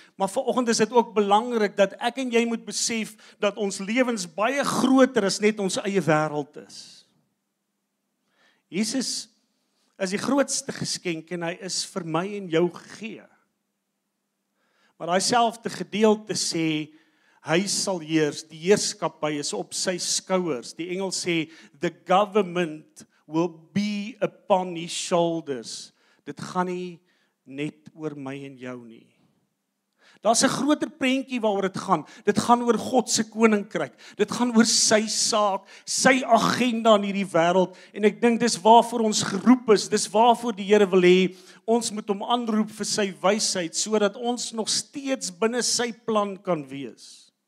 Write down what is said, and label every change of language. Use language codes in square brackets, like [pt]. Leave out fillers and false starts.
[af] Maar vanoggend is dit ook belangrik dat ek en jy moet besef dat ons lewens baie groter is net ons eie wêreld is. Jesus is die grootste geskenk en hy is vir my en jou gegee. Maar hy selfde gedeelte sê, hy sal heers, die heerskappy is op sy skouers. Die Engels sê, [en] the government will be upon his shoulders. [af] Dit gaan nie net oor my en jou nie. Daar's 'n groter prentjie waaroor dit gaan. Dit gaan oor God se koninkryk. Dit gaan oor sy saak, sy agenda in hierdie wêreld. En ek dink dis waarvoor ons geroep is. Dis waarvoor die Here wil hê ons moet hom aanroep vir sy wysheid sodat ons nog steeds binne sy plan kan wees.